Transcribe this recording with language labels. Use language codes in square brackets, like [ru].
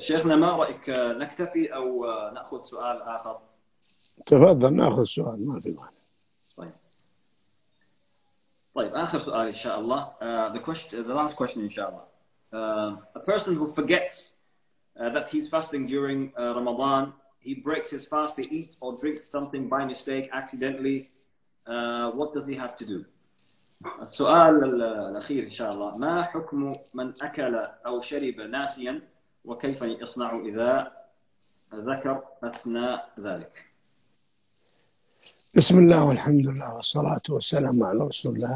[ar] شيخنا ما رأيك نكتفي أو نأخذ سؤال آخر؟ تفضل نأخذ سؤال ما في مانع. طيب آخر سؤال إن شاء الله. [en] The last question [ar] إن شاء الله. [en] A person who forgets that he's fasting during Ramadan, he breaks his fast, he eats or drinks something by mistake, accidentally, what does he have to do? [ar] السؤال الأخير إن شاء الله. ما حكم من أكل أو شرب ناسيا وكيف يصنع إذا ذكر أثناء ذلك؟ بسم الله والحمد لله والصلاة والسلام على رسول الله.